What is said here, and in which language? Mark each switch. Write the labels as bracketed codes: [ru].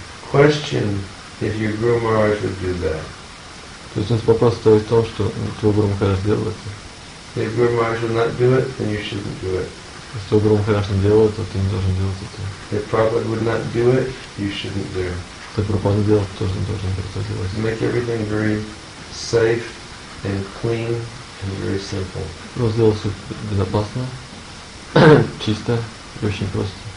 [en] Question if your Guru Maharaj would do that. [ru] То есть у нас вопрос стоит в том, что твой Guru Maharaj сделал это. [en] If Guru Maharaj will not do it, then you shouldn't do it. If [ru] Guru Maharaj не делает, то ты не должен делать это. [en] If Prabhupada would not do it, you shouldn't do it. [ru] Так Прабхупада не делает, то ты не должен это делать. [en] Make everything very safe and clean and very simple. [ru] Ну, сделал все безопасно, чисто и очень просто.